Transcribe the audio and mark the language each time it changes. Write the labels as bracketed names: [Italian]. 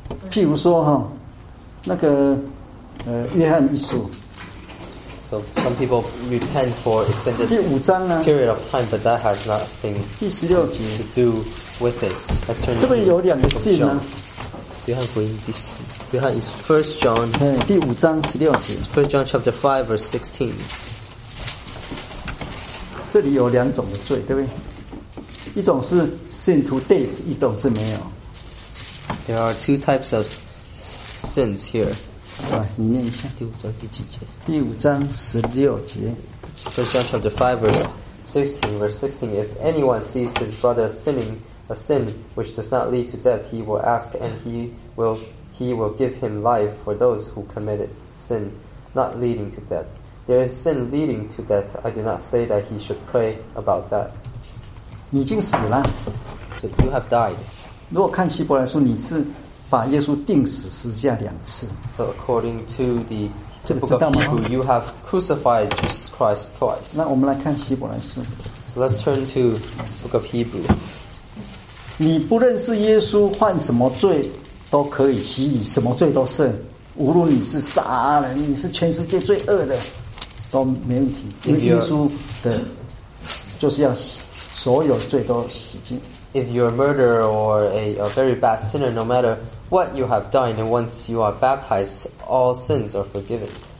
[Chinese] 譬如说哈，那个约翰一书。 [English] So some people repent for extended period of time, but that has nothing to do with it. Let's turn. [Chinese] 这边有两个信呢。约翰福音第四，约翰一书 [English] First John [Chinese] 第五章十六节。 [English] First John chapter 5 verse 16。 [Chinese] 这里有两种的罪，对不对？一种是信徒 dead， 一种是没有。 [English] There are two types of sins here. [Chinese] 你念一下第五章第几节？第五章十六节。 [English] First John chapter 5 verse 16. Verse 16. If anyone sees his brother sinning a sin which does not lead to death, he will ask, and he will give him life. For those who committed sin not leading to death, there is sin leading to death. I do not say that he should pray about that. [Chinese] 你已经死了。 [English] So you have died. [Chinese] 如果看希伯来书，你是。把耶稣钉死十字架两次。 [English] So according to the book of Hebrew, you have crucified Jesus Christ twice. [Chinese] 那我们来看希伯来书。 [English] So let's turn to book of Hebrew. [Chinese] 你不认识耶稣，犯什么罪都可以洗你，什么罪都赦，无论你是杀人，你是全世界最恶的，都没问题。因为耶稣的，就是要洗所有罪都洗净。 [English] If you're a murderer or a very bad sinner, no matter what you have done, and once you are baptized, all sins are forgiven.